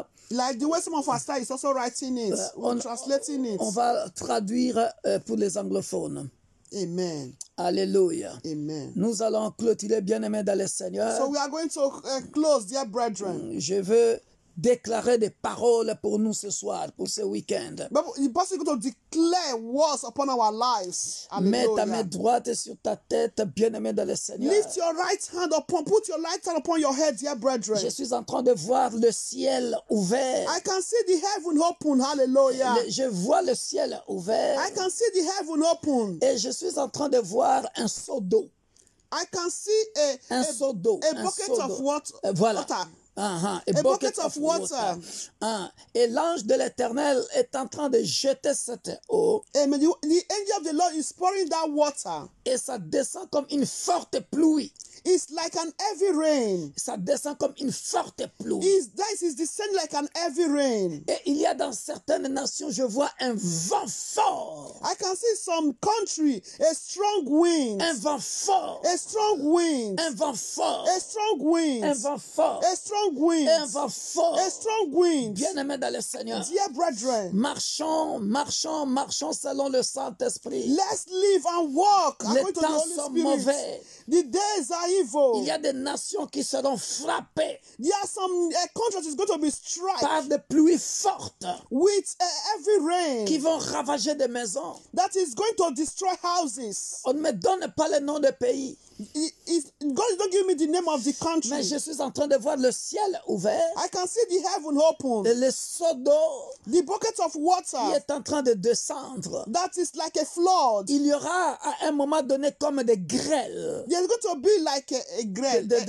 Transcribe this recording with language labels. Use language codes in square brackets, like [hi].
[en] Like the way some of our style is also writing it, translating it. [fr] On va traduire pour les anglophones. Amen. Alléluia. Amen. Nous allons clôturer, bien-aimés dans le Seigneur. [en] So we are going to close, dear brethren. [fr] Je veux déclarer des paroles pour nous ce soir, pour ce week-end. [en] But the pastor is going to declare words upon our lives. Alléluia. [fr] Mets ta main droite sur ta tête, bien-aimés dans le Seigneur. [en] Lift your right hand upon, put your right hand upon your head, dear brethren. [fr] Je suis en train de voir le ciel ouvert. [en] I can see the heaven open, hallelujah. [fr] Je vois le ciel ouvert. [en] I can see the heaven open. [fr] Et je suis en train de voir un seau d'eau. [en] I can see a bucket of water. [fr] Voilà. [en] Water. A bucket of water. [fr] Et l'ange de l'Éternel est en train de jeter cette eau. Amen. [en] The angel of the Lord is pouring that water. [fr] Et ça descend comme une forte pluie. [en] It's like an heavy rain. [fr] Ça descend comme une forte pluie. [en] It's descending like an heavy rain. [fr] Et il y a dans certaines nations, je vois un vent fort. [en] I can see some country, a strong wind. [fr] Un vent fort. [en] A strong wind. [fr] Un vent fort. [en] A strong wind. [fr] Un vent fort. [en] A strong wind. [fr] Un vent fort. [en] A strong wind. [fr] Bien-aimés dans le Seigneur. [en] Dear brethren. [fr] Marchons selon le Saint-Esprit. [en] Let's live and walk. [fr] Les temps sont mauvais. [en] The days are evil. [fr] Il y a des nations qui seront frappées. [en] There are some countries that are going to be struck. [fr] Par des pluies fortes. [en] With heavy rain. [fr] Qui vont ravager des maisons. [en] That is going to destroy houses. [fr] On ne me donne pas le nom des pays. [en] God don't give me the name of the country. [fr] Mais je suis en train de voir le ciel ouvert. [en] I can see the heaven open. [fr] Et le seau d'eau. [en] The bucket of water. [fr] Qui est en train de descendre. [en] That is like a flood. [fr] Il y aura à un moment donné comme des grêles. [en] There's going to be like a grêle.